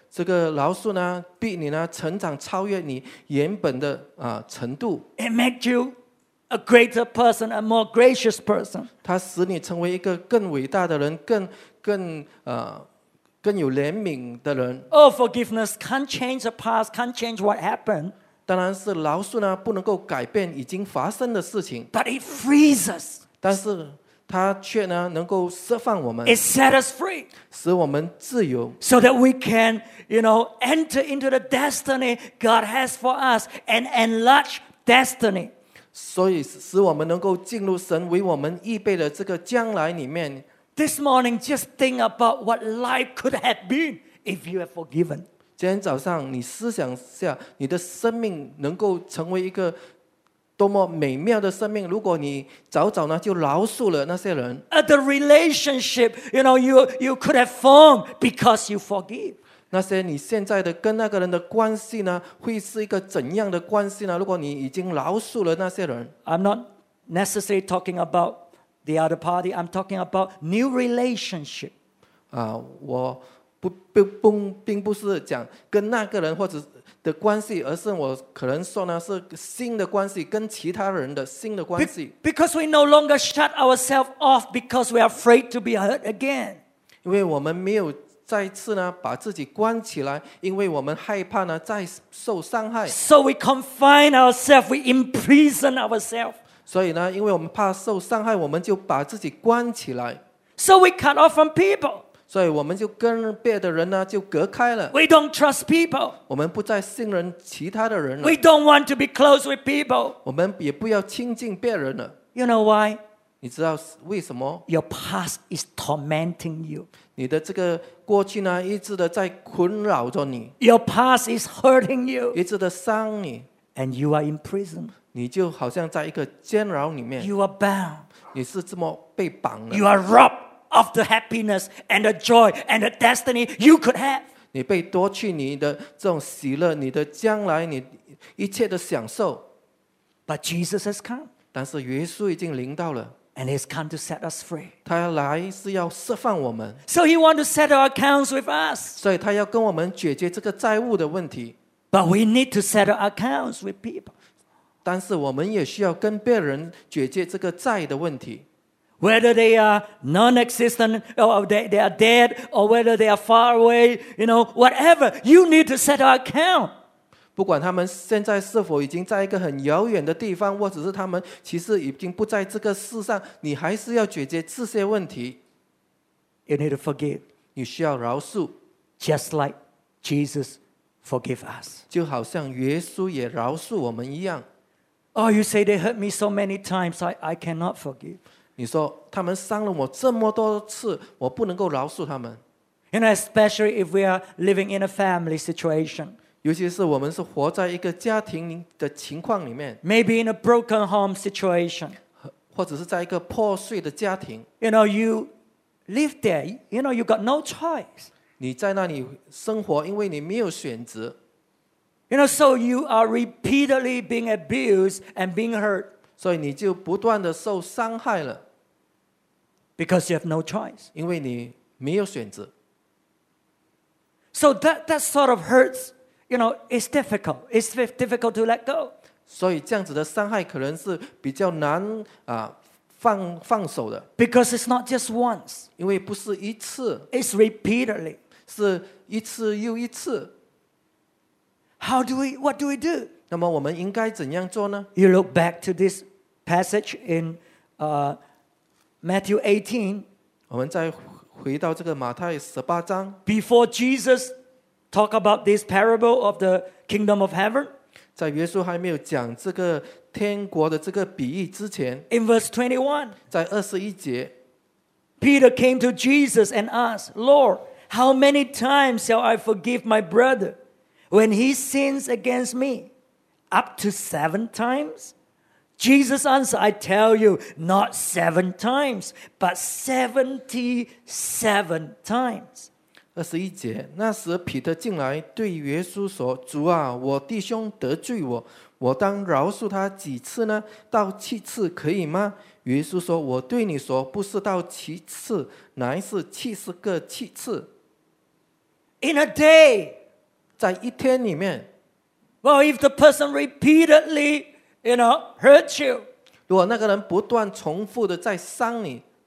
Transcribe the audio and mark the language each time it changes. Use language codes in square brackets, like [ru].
[zh] 这个饶恕呢，逼你呢成长，超越你原本的程度。 [en] It makes you a greater person, a more gracious person. [zh] 它使你成为一个更伟大的人，更有怜悯的人。 [en] Oh, forgiveness can't change the past, can't change what happened. [zh] 当然是饶恕呢，不能够改变已经发生的事情。 [en] But it frees us. [zh] 但是它却呢，能够释放我们。 [en] It sets us free. [zh] 使我们自由。 [en] So that we can, you know, enter into the destiny God has for us and enlarge destiny. [zh] 所以使我们能够进入神为我们预备的这个将来里面。 [en] This morning, just think about what life could have been if you have forgiven. [zh] 今天早上，你思想下，你的生命能够成为一个多么美妙的生命。如果你早早呢就饶恕了那些人 [en] ，the relationship you know you could have formed because you forgive. [zh] 那些你现在的跟那个人的关系呢，会是一个怎样的关系呢？如果你已经饶恕了那些人 [en] ，I'm not necessarily talking about. The other party, I'm talking about new relationship. [zh] 我并不是讲跟那个人或者的关系，而是我可能说呢是新的关系，跟其他人的新的关系。 [en] Because we no longer shut ourselves off because we are afraid to be hurt again. [zh] 因为我们没有再次呢把自己关起来，因为我们害怕呢再受伤害。 [en] So we confine ourselves, we imprison ourselves. [zh] 所以呢，因为我们怕受伤害，我们就把自己关起来。 [en] So we cut off from people. [zh] 所以我们就跟别的人呢就隔开了。 [en] We don't trust people. [zh] 我们不再信任其他的人了。 [en] We don't want to be close with people. [zh] 我们也不要亲近别人了。 [en] You know why? [zh] 你知道为什么？ [en] Your past is tormenting you. [zh] 你的这个过去呢，一直的在困扰着你。 [en] Your past is hurting you. [zh] 一直的伤你。 [en] And you are in prison. [zh] 你就好像在一个监牢里面。 [en] You are bound. [zh] 你是这么被绑了。 [en] You are robbed of the happiness and the joy and the destiny you could have. [zh] 你被夺去你的这种喜乐，你的将来，你一切的享受。 [en] But Jesus has come. [zh] 但是耶稣已经临到了。 [en] And he's come to set us free. [zh] 他来是要释放我们。 [en] So he wants to settle accounts with us. [zh] 所以他要跟我们解决这个债务的问题。 [en] But we need to settle accounts with people. [zh] 但是我们也需要跟别人解决这个债的问题。 [en] Whether they are non-existent, or they are dead, or whether they are far away, you know, whatever, you need to settle account. [zh] 不管他们现在是否已经在一个很遥远的地方，或者是他们其实已经不在这个世上，你还是要解决这些问题。 [en] You need to forgive. [zh] 你需要饶恕。 [en] Just like Jesus forgave us. [zh] 就好像耶稣也饶恕我们一样。 [en] Oh, you say they hurt me so many times, I cannot forgive. [zh] 你说他们伤了我这么多次，我不能够饶恕他们。 [en] You know, especially if we are living in a family situation. [zh] 尤其是我们是活在一个家庭的情况里面。 [en] Maybe in a broken home situation. [zh] 或者是在一个破碎的家庭。 [en] You know, you live there. You know, you got no choice. [zh] 你在那里生活，因为你没有选择。 [en] You know, so you are repeatedly being abused and being hurt. [zh] 所以你就不断地受伤害了。 [en] Because you have no choice. [zh] 因为你没有选择。 [en] So that sort of hurts, you know, it's difficult. It's difficult to let go. [zh] 所以这样子的伤害可能是比较难放手的。 [en] Because it's not just once. [zh] 因为不是一次。 [en] It's repeatedly. [zh] 是一次又一次。 [en] What do we do? [zh] 那么我们应该怎样做呢？ [en] You look back to this passage in Matthew 18. [zh] 我们再回到这个马太十八章。 [en] Before Jesus talk about this parable of the kingdom of heaven, [zh] 在耶稣还没有讲这个天国的这个比喻之前， [en] in verse 21, [zh] 在二十一节， [en] Peter came to Jesus and asked, Lord, how many times shall I forgive my brother when he sins against me? Up to 7 times? Jesus answered, I tell you, not 7 times, but 77 times. [zh] 21节，那时彼得进来对耶稣说，主啊，我弟兄得罪我，我当饶恕他几次呢？到7次可以吗？耶稣说，我对你说，不是到7次，乃是70个7次。 [en] In a day, [zh] 在一天里面， [en] Well, if the person repeatedly, you know, hurts you, [zh] 如果那个人不断重复的在伤你，